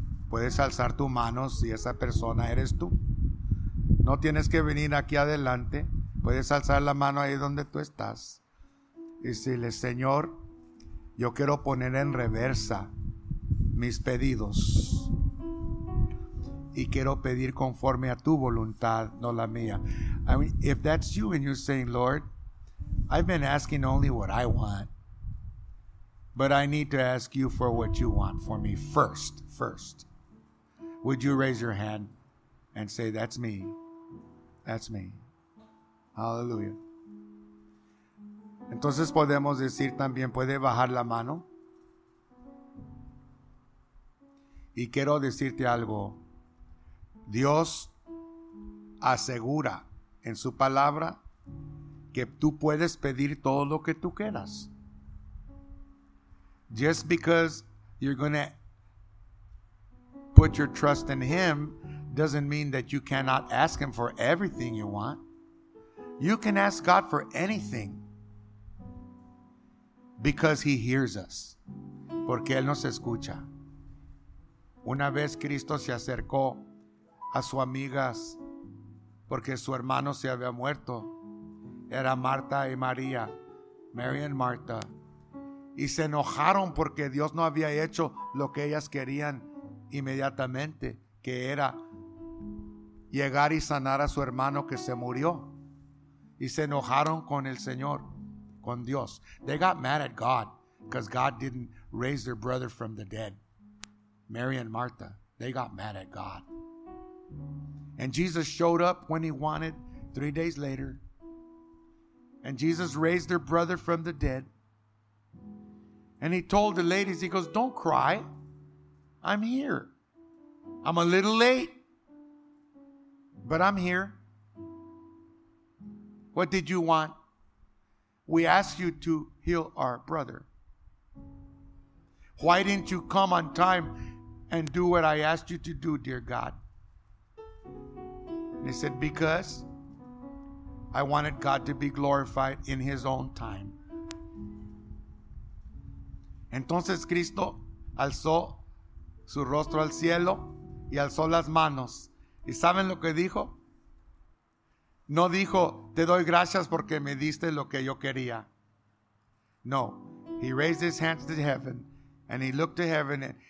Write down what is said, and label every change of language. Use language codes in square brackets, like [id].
[es] puedes alzar tu mano si esa persona eres tú. No tienes que venir aquí adelante. Puedes alzar la mano ahí donde tú estás. Y decirle, Señor, yo quiero poner en reversa mis pedidos. Y quiero pedir conforme a tu voluntad, no la mía. [en] I mean, if that's you and you're saying, Lord, I've been asking only what I want. But I need to ask you for what you want for me first. Would you raise your hand and say, that's me. That's me. Hallelujah. [es] Entonces podemos decir también, puede bajar la mano. Y quiero decirte algo. Dios asegura en su palabra que tú puedes pedir todo lo que tú quieras. [en] Just because you're going to put your trust in Him doesn't mean that you cannot ask Him for everything you want. You can ask God for anything because He hears us. [es] Porque Él nos escucha. Una vez Cristo se acercó a su amiga porque su hermano se había muerto. Era Marta y María. Mary and Martha. Y se enojaron porque Dios no había hecho lo que ellas querían inmediatamente, que era llegar y sanar a su hermano que se murió. Y se enojaron con el Señor, con Dios. [en] They got mad at God because God didn't raise their brother from the dead. Mary and Martha, they got mad at God. And Jesus showed up when he wanted 3 days later. And Jesus raised their brother from the dead. And he told the ladies, he goes, don't cry. I'm here. I'm a little late, but I'm here. What did you want? We asked you to heal our brother. Why didn't you come on time and do what I asked you to do, dear God? And he said, because I wanted God to be glorified in his own time. [es] Entonces Cristo alzó su rostro al cielo y alzó las manos. ¿Y saben lo que dijo? No dijo, te doy gracias porque me diste lo que yo quería. [en] No, he raised his hands to heaven and he looked to heaven.